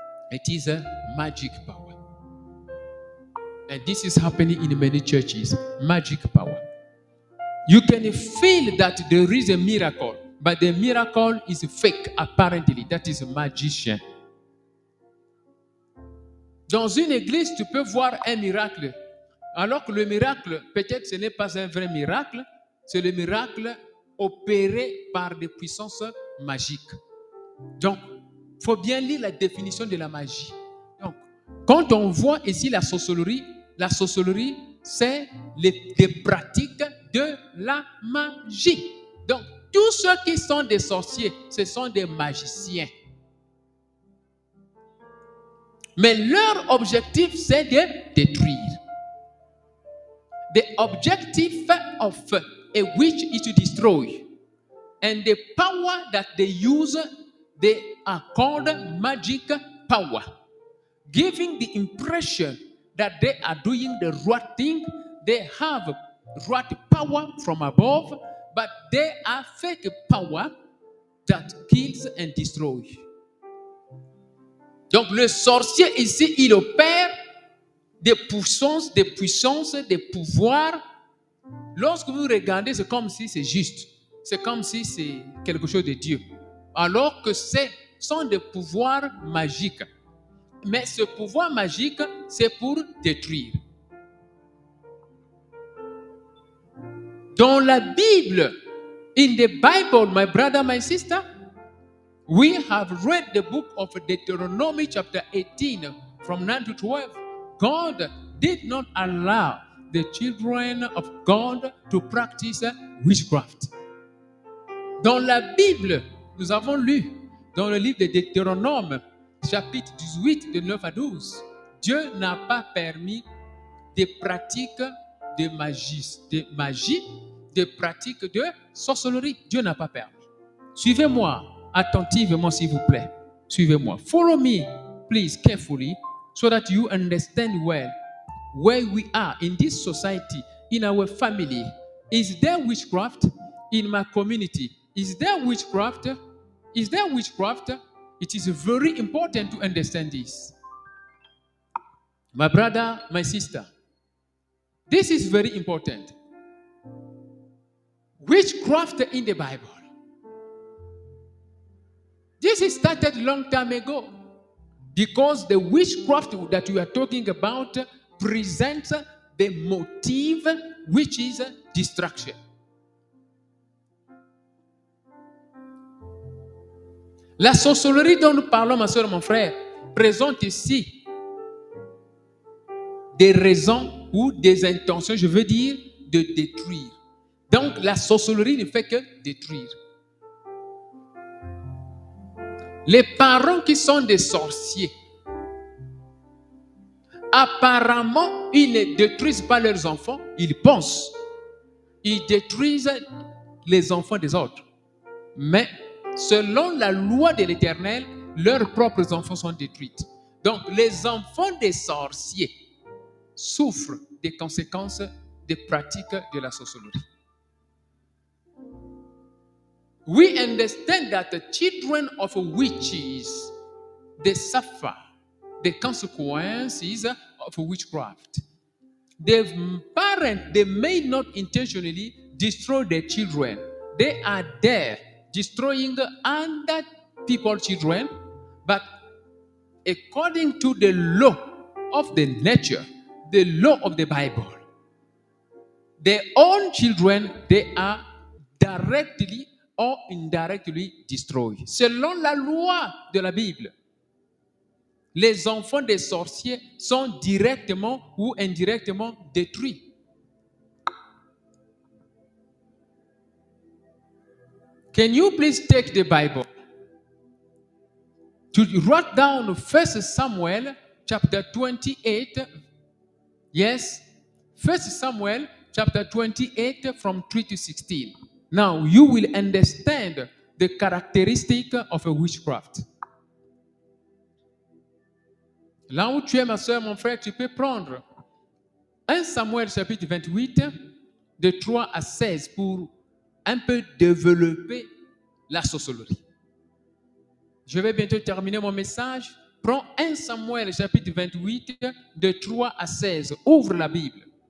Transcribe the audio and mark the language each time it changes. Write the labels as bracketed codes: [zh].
[en] It is a magic power. And this is happening in many churches, magic power. You can feel that there is a miracle, but the miracle is fake, apparently. That is a magician. [fr] Dans une église, tu peux voir un miracle. Alors que le miracle, peut-être ce n'est pas un vrai miracle, c'est le miracle opéré par des puissances magiques. Donc, il faut bien lire la définition de la magie. Donc, quand on voit ici la sorcellerie, c'est les pratiques de la magie. Donc, tous ceux qui sont des sorciers, ce sont des magiciens. Mais leur objectif, c'est de détruire. [en] The objective of a witch is to destroy. And the power that they use, they are called magic power. Giving the impression that they are doing the right thing, they have right power from above, but they are fake power that kills and destroys. [fr] Donc le sorcier ici, il opère des puissances, des pouvoirs. Lorsque vous regardez, c'est comme si c'est juste. C'est comme si c'est quelque chose de Dieu. Alors que ce sont des pouvoirs magiques. Mais ce pouvoir magique, c'est pour détruire. Dans la Bible, [en] in the Bible, my brother, my sister, we have read the book of Deuteronomy chapter 18 from 9 to 12. God did not allow the children of God to practice witchcraft. [fr] Dans la Bible, nous avons lu dans le livre de Deutéronome, chapitre 18, de 9 à 12, Dieu n'a pas permis des pratiques de magie, des pratiques de sorcellerie. Dieu n'a pas permis. Suivez-moi attentivement, s'il vous plaît. Suivez-moi. [en] Follow me, please, carefully, so that you understand well where we are in this society, in our family. Is there witchcraft in my community? Is there witchcraft? Is there witchcraft? It is very important to understand this. My brother, my sister, this is very important. Witchcraft in the Bible. This is started a long time ago because the witchcraft that we are talking about presents the motive, which is destruction. [fr] La sorcellerie dont nous parlons, ma soeur et mon frère, présente ici des raisons ou des intentions, je veux dire, de détruire. Donc, la sorcellerie ne fait que détruire. Les parents qui sont des sorciers, apparemment, ils ne détruisent pas leurs enfants, ils pensent. Ils détruisent les enfants des autres. Mais selon la loi de l'Éternel, leurs propres enfants sont détruits. Donc, les enfants des sorciers souffrent des conséquences des pratiques de la sorcellerie. [en] We understand that the children of witches, they suffer the consequences of witchcraft. Their parents, they may not intentionally destroy their children. They are there destroying other people's children, but according to the law of the nature, the law of the Bible, their own children, they are directly or indirectly destroyed. [fr] Selon la loi de la Bible, les enfants des sorciers sont directement ou indirectement détruits. [en] Can you please take the Bible to write down 1 Samuel chapter 28? Yes, 1 Samuel chapter 28 from 3 to 16. Now you will understand the characteristic of a witchcraft. [fr] Là où tu es, ma soeur, mon frère, tu peux prendre 1 Samuel chapitre 28 de 3 à 16 pour un peu développer la sorcellerie. Je vais bientôt terminer mon message. Prends 1 Samuel chapitre 28 de 3 à 16. Ouvre la Bible.